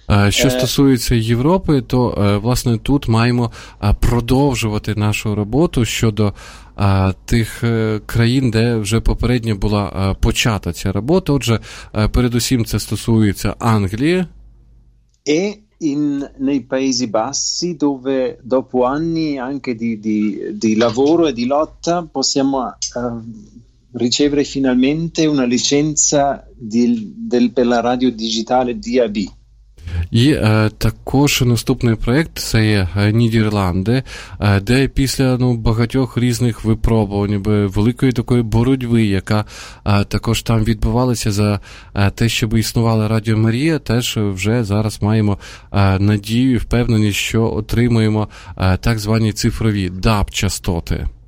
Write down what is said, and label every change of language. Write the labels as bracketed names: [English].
[Ukrainian] Що стосується Європи, то, власне, тут маємо продовжувати нашу роботу щодо тих країн, де вже попередньо була почата ця робота. Отже, передусім це стосується Англії. [Italian] E nei Paesi Bassi, dove dopo anni anche di lavoro e di lotta possiamo ricevere finalmente una licenza per la radio digitale DAB. [Ukrainian] І також наступний проєкт – це є Нідерланди, де після, ну, багатьох різних випробувань, великої такої боротьби, яка також там відбувалася за те, щоб існувала Радіо Марія, теж вже зараз маємо надію і впевненість, що отримуємо так звані цифрові DAB-частоти.